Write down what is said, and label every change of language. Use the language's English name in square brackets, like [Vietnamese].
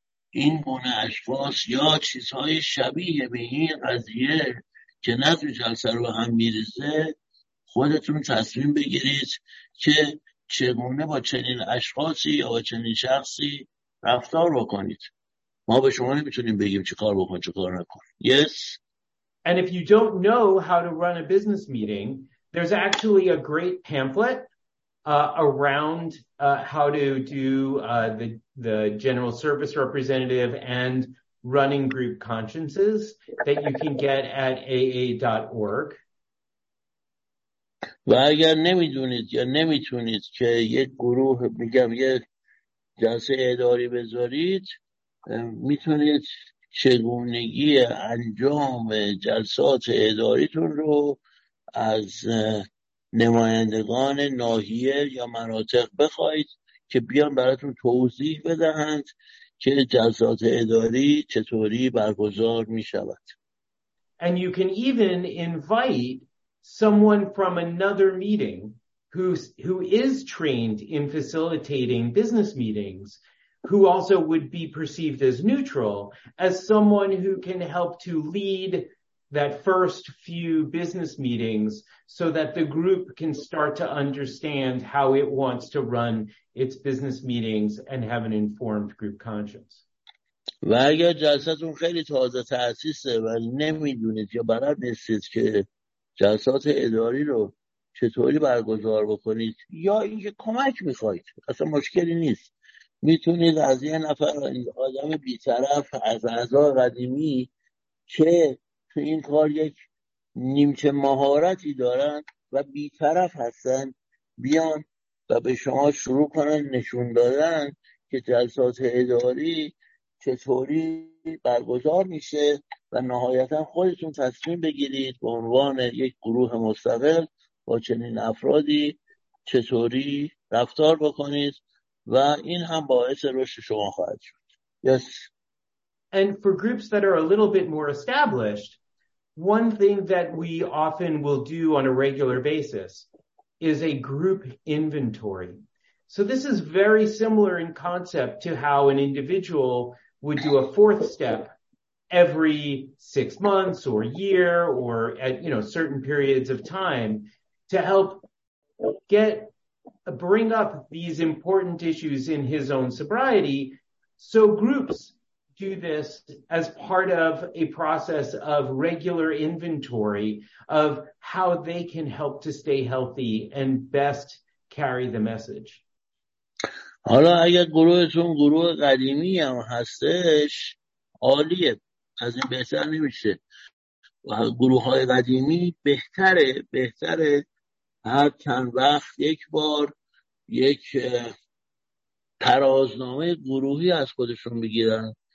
[Persian] این گونه اشخاص یا چیزهای شبیه به این قضیه که نه تو جلسه رو هم میرزه، خودتون تصمیم بگیرید که چگونه با چنین اشخاصی یا با چنین شخصی رفتار بکنید. ما به شما نمیتونیم بگیم چی کار بکن چی کار نکن. [English] Yes. And if you don't know how to run a business meeting, there's actually a great pamphlet around how to do the general service representative and running group consciences that you can get at aa.org. [Persian] و اگر نمیدونید یا نمیتونید که یک گروه میگم یک جلسه اداری بذارید، میتونید چگونگی انجام جلسات اداریتون رو از نمایندگان ناحیه یا مناطق بخواید که بیان براتون توضیح بدهند که جلسات اداری چطوری برگزار میشود. [English] And you can even invite someone from another meeting who is trained in facilitating business meetings, who also would be perceived as neutral, as someone who can help to lead that first few business meetings so that the group can start to understand how it wants to run its business meetings and have an informed group conscience. [Persian] و اگر جلساتون خیلی تازه تأسیسه و نمیدونید یا بلد نیستید که جلسات اداری رو چطوری برگزار بکنید یا اینکه کمک میخواید، اصلا مشکلی نیست، میتونید از یه نفر آدم بی‌طرف از اعضا قدیمی که تو این کار یک نیمچه مهارتی دارن و بی‌طرف هستن بیان و به شما شروع کنن نشون دادن که جلسات اداری چطوری برگزار میشه و نهایتا خودتون تصمیم بگیرید به عنوان یک گروه مستقل با چنین افرادی چطوری رفتار بکنید و این هم باعث رشد شما خواهد شد. [English] Yes. And for groups that are a little bit more established, one thing that we often will do on a regular basis is a group inventory. So this is very similar in concept to how an individual would do a fourth step every 6 months or year or at, you know, certain periods of time to help bring up these important issues in his own sobriety. So groups do this as part of a process of regular inventory of how they can help to stay healthy and best carry the message. [Persian] حالا اگر گروهتون گروه قدیمی هم هستش عالیه، از این بهتر نمیشه. گروه های قدیمی بهتره هر چند وقت یک بار یک ترازنامه گروهی از خودشون بگیرن.